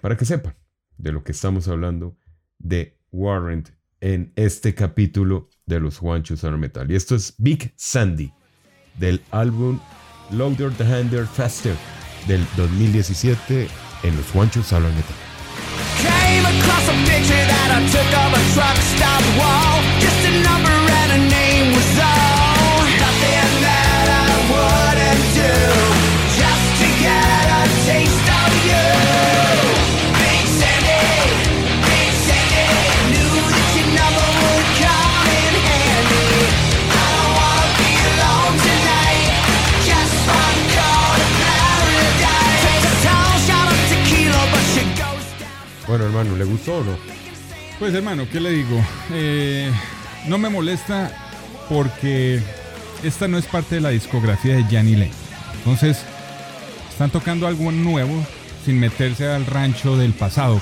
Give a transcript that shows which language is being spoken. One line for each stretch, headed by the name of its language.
Spanish: Para que sepan de lo que estamos hablando de Warrant en este capítulo de Los Juanchos a la Metal. Y esto es Big Sandy, del álbum Louder, the Hander, Faster, del 2017 en Los Juanchos a la Metal.
English: Came across a picture that I took of a truck stop wall. Just a number and a name was all. Nothing that I wouldn't do just to get a taste of you. Big Sandy, Big Sandy, knew that your number would come in handy. I don't wanna be alone tonight. Just one call to paradise. Takes a tall shot of tequila, but she goes.
Spanish: Bueno, hermano, ¿le gustó o no? Pues, hermano, ¿qué le digo? No me molesta porque esta no es parte de la discografía de Jenny Lane. Entonces, están tocando algo nuevo sin meterse al rancho del pasado.